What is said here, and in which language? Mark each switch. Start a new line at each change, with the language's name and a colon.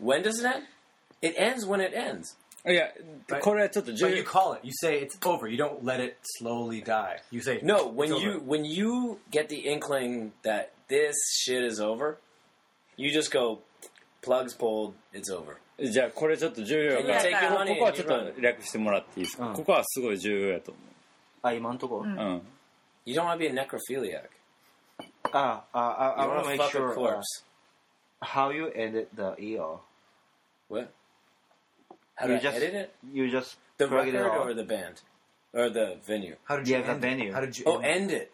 English: when does it end? It ends when it ends. Yeah. But you call it. You say it's over. You don't let it slowly die. You say no, when you, over. No, when you get the inkling that this shit is over, you just go, plugs pulled, it's over.
Japanese: じゃあこれちょっと重要だから。ここはちょっと略してもらっていいですか、うん、ここはすごい重要だと思う。あ、今のとこ、うん、
English: You don't want to be a necrophiliac. I want to make sure how you ended the ER. What? How did you edit it? You just the record it or the band or the venue? How did you end the venue? How did you end it?